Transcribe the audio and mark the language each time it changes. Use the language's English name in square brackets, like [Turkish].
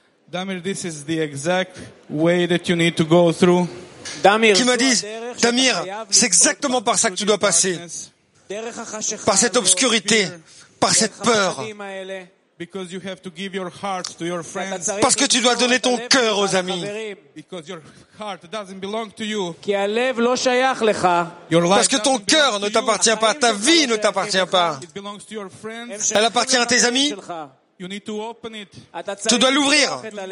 [English] Damir, this is the exact way that you need to go through. [French] Damir, qui m'a dit, Damir, c'est exactement par ça que tu dois passer. Par cette obscurité, par cette peur. [English] Because you have to give your heart to your friends. [French] Parce que tu dois donner ton cœur aux amis. [English] Because your heart doesn't belong to you. [Hebrew] כי הלב לא שייך לך. [French] Parce que ton cœur ne t'appartient pas, ta vie ne t'appartient pas. [English] It belongs to your friends. [French] Elle appartient à tes amis. [English] You need to open it. [French] Tu dois l'ouvrir.